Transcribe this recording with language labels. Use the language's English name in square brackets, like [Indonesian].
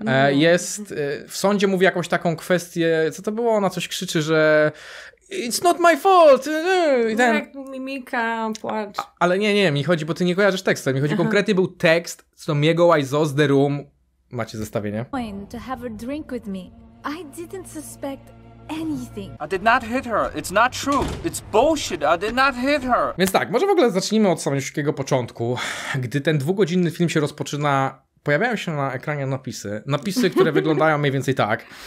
[Polish] Jest, w sądzie mówi jakąś taką kwestię, co to było? Ona coś krzyczy, że... [English] It's not my fault. [Polish] Ten... Tak, mimika, płacz. Ale nie, mi chodzi, bo ty nie kojarzysz tekstu. Mi chodzi, aha, konkretnie był tekst z Tommy'ego Wiseau z The Room. Macie zestawienie. [English] To have a drink with me. I didn't suspect anything. I did not hit her. It's not true. It's bullshit. I did not hit her. [Polish] Więc tak, może w ogóle zacznijmy od samego początku, gdy ten dwugodzinny film się rozpoczyna. Pojawiają się na ekranie napisy. Napisy, które wyglądają mniej więcej tak.